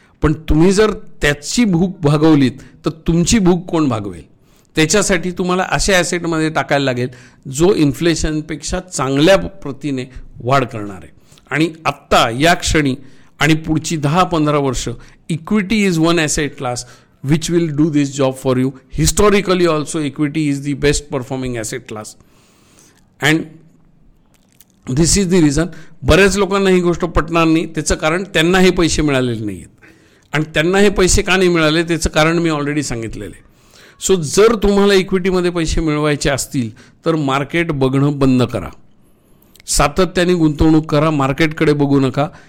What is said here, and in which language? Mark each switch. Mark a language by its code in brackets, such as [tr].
[mr] पण तुम्ही जर त्याची भूक भागवलीत तर तुमची भूक कोण भागवेल? त्याच्यासाठी तुम्हाला अशा ॲसेटमध्ये टाकायला लागेल जो इन्फ्लेशनपेक्षा चांगल्या प्रतीने वाढ करणार आहे. आणि आत्ता या क्षणी आणि पुढची 10-15 वर्ष [en] Equity is one asset class which will do this job for you. Historically also equity is the best performing asset class. And this is the reason [mr] बऱ्याच लोकांना ही गोष्ट पटणार नाही. त्याचं कारण त्यांना हे पैसे मिळालेले नाही आहेत. आणि त्यांना हे पैसे का नाही मिळाले त्याचं कारण मी ऑलरेडी सांगितलेलं आहे. सो जर तुम्हाला इक्विटीमध्ये पैसे मिळवायचे असतील तर मार्केट बघणं बंद करा, सातत्याने गुंतवणूक करा, मार्केटकडे बघू नका.